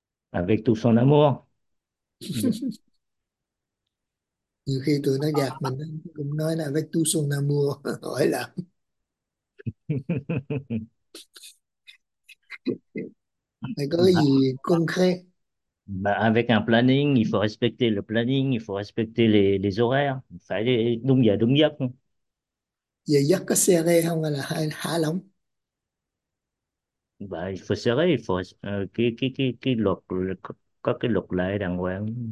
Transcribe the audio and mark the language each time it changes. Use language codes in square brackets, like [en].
[fr] avec tout son amour. [vi] Nhiều khi tụi nó gạt mình cũng nói là [fr] avec tout son amour, [vi] hỏi là mày có cái Bah, gì concret. [fr] avec un planning, il faut respecter le planning, il faut respecter les horaires, il faut aller [vi] đúng giờ đúng giấc. Giấc có serré không hay là hả lỏng? [fr] Bah, il faut serrer, il faut [vi] cái luật, có cái luật lệ đàng hoàng.